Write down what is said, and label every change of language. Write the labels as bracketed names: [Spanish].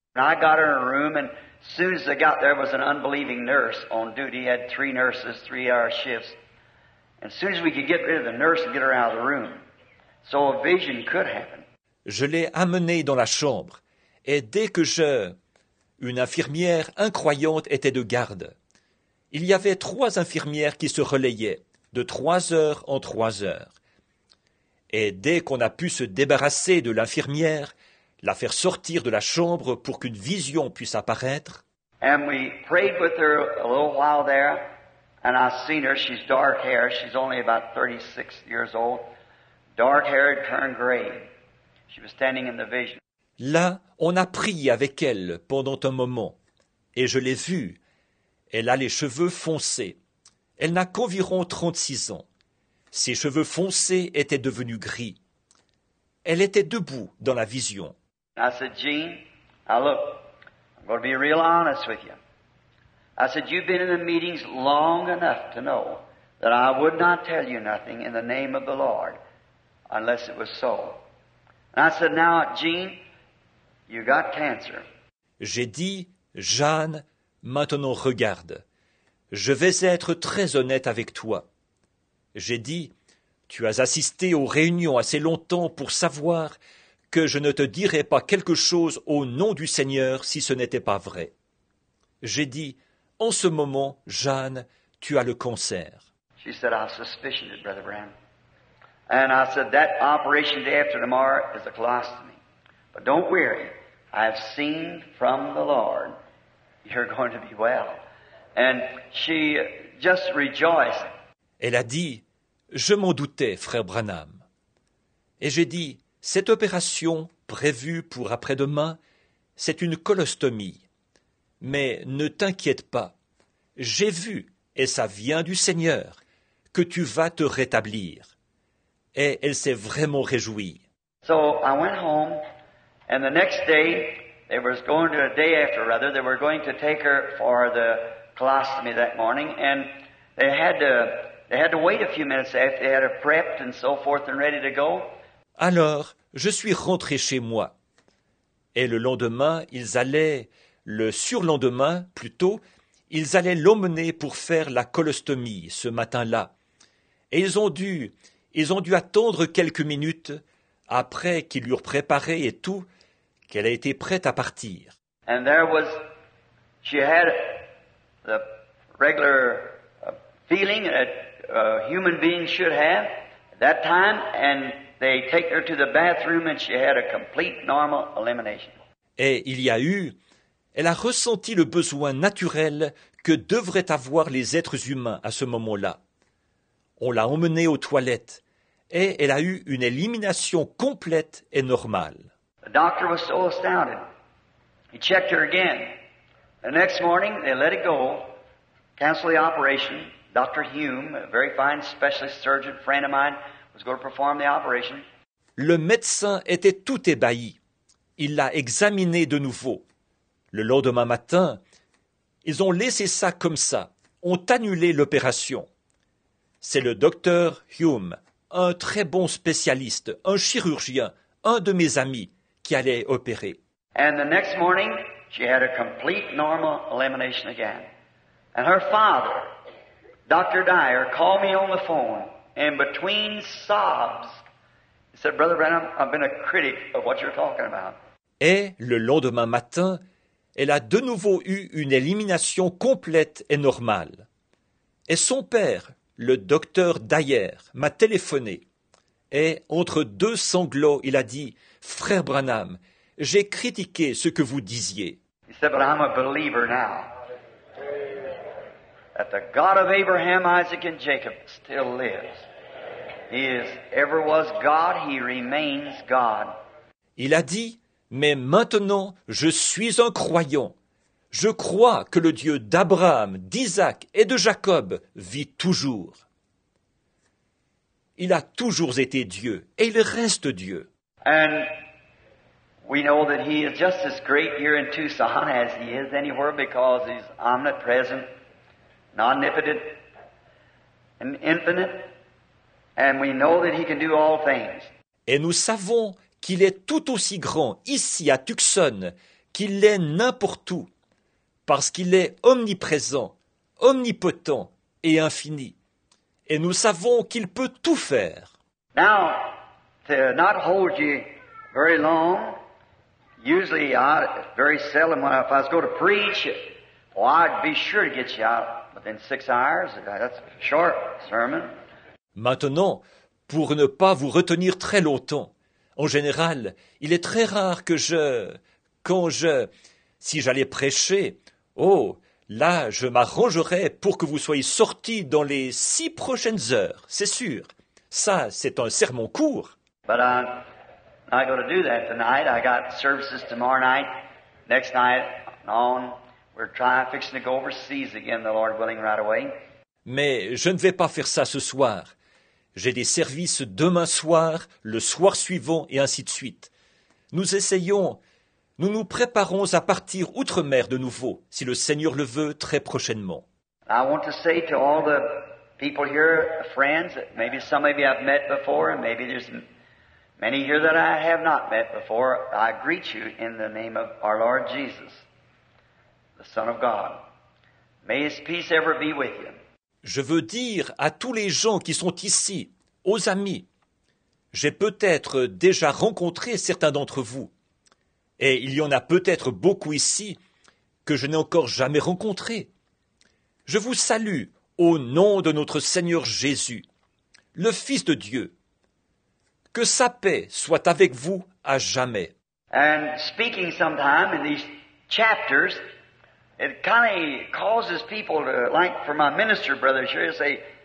[English] I got her in a room, and as soon as I got there, was an unbelieving nurse on duty. He had 3 nurses, 3-hour shifts. And as soon as we could get rid of the nurse and get her out of the room, so a vision could happen. [French] Je l'ai amenée dans la chambre, et dès que une infirmière incroyante était de garde. Il y avait 3 infirmières qui se relayaient, de 3 heures en 3 heures. Et dès qu'on a pu se débarrasser de l'infirmière, la faire sortir de la chambre pour qu'une vision puisse apparaître, [English] and we prayed with her a little while there, and I seen her, she's dark hair, she's only about 36 years old, dark hair had turned gray. She was standing in the vision. [French] Là, on a prié avec elle pendant un moment, et je l'ai vue. Elle a les cheveux foncés. Elle n'a qu'environ 36 ans. Ses cheveux foncés étaient devenus gris. Elle était debout dans la vision. [English] I said, Jean, I look, I'm going to be real honest with you. I said, you've been in the meetings long enough to know that I would not tell you nothing in the name of the Lord unless it was so. And I said, now, Jean, you got cancer. [French] J'ai dit, Jeanne, maintenant regarde. Je vais être très honnête avec toi. J'ai dit, tu as assisté aux réunions assez longtemps pour savoir que je ne te dirais pas quelque chose au nom du Seigneur si ce n'était pas vrai. J'ai dit, en ce moment, Jeanne, tu as le cancer. [English] She said, I suspicioned it, Brother Branham. And I said, that operation day after tomorrow is a colostomy. But don't worry, I've seen from the Lord, you're going to be well. And she just rejoiced. [French] Elle a dit, je m'en doutais, frère Branham. Et j'ai dit, cette opération prévue pour après-demain, c'est une colostomie. Mais ne t'inquiète pas, j'ai vu, et ça vient du Seigneur, que tu vas te rétablir. Et elle s'est vraiment réjouie. [English] So I went home, and the next day, there was going to, a day after rather, they were going to take her for the colostomy that morning, and they had to wait a few minutes after they had her prepped and so forth and ready to go. [French] Alors, je suis rentré chez moi. Et le lendemain, ils allaient, le surlendemain plutôt, ils allaient l'emmener pour faire la colostomie ce matin-là. Et ils ont dû attendre quelques minutes après qu'ils l'eurent préparée et tout, qu'elle a été prête à partir. [English] And there was, she had the regular feeling that a human being should have at that time, and they take her to the bathroom and she had a complete normal elimination. [French] Et il y a eu, elle a ressenti le besoin naturel que devraient avoir les êtres humains à ce moment-là. On l'a emmenée aux toilettes et elle a eu une élimination complète et normale. [English] The doctor was so astounded. He checked her again. The next morning, they let it go, canceled the operation. Dr. Hume, a very fine specialist surgeon friend of mine, was going to perform the operation. [French] Le médecin était tout ébahi. Il l'a examiné de nouveau. Le lendemain matin, ils ont laissé ça comme ça, ont annulé l'opération. C'est le docteur Hume, un très bon spécialiste, un chirurgien, un de mes amis, qui allait opérer. [English] And the next morning, she had a complete normal elimination again. And her father, Dr. Dyer, called me on the phone, and between sobs, he said, Brother Branham, I've been a critic of what you're talking about. [French] Et le lendemain matin, elle a de nouveau eu une élimination complète et normale. Et son père, le docteur Dyer, m'a téléphoné. Et entre deux sanglots, il a dit, « Frère Branham, j'ai critiqué ce que vous disiez. » [English] He said, « But I'm a believer now that the God of Abraham, Isaac, and Jacob still lives. He is, ever was God, he remains God. » [French] Il a dit, « Mais maintenant, je suis un croyant. » Je crois que le Dieu d'Abraham, d'Isaac et de Jacob vit toujours. Il a toujours été Dieu et il reste Dieu. [English] And we know that he is just as great here in Tucson as he is anywhere because he's omnipresent, omnipotent, and infinite. And we know that he can do all things. [French] Et nous savons qu'il est tout aussi grand ici à Tucson qu'il l'est n'importe où. Parce qu'il est omniprésent, omnipotent et infini. Et nous savons qu'il peut tout faire. [English] Now, to not hold you very long, usually I, very seldom when if I was going to preach, well, I'd be sure to get you out within 6 hours. That's a short sermon. [French] Maintenant, pour ne pas vous retenir très longtemps, en général, il est très rare que je... quand je... si j'allais prêcher... Oh, là, je m'arrangerai pour que vous soyez sortis dans les 6 prochaines heures, c'est sûr. Ça, c'est un sermon court. [English] But I'm not going to do that tonight. I got services tomorrow night, next night, and on. We're trying, fixing to go overseas again, the Lord willing, right away. [French] Mais je ne vais pas faire ça ce soir. J'ai des services demain soir, le soir suivant, et ainsi de suite. Nous nous préparons à partir outre-mer de nouveau, si le Seigneur le veut, très prochainement. [English] I want to say to all the people here, friends, that maybe some of you I've met before, and maybe there's many here that I have not met before, I greet you in the name of our Lord Jesus, the Son of God. May His peace ever be with you. [French] Je veux dire à tous les gens qui sont ici, aux amis, j'ai peut-être déjà rencontré certains d'entre vous, et il y en a peut-être beaucoup ici que je n'ai encore jamais rencontrés. Je vous salue au nom de notre Seigneur Jésus, le Fils de Dieu. Que sa paix soit avec vous à jamais. [English] And speaking sometime in these chapters, it kind of causes people to, like for my minister brother, sure to say.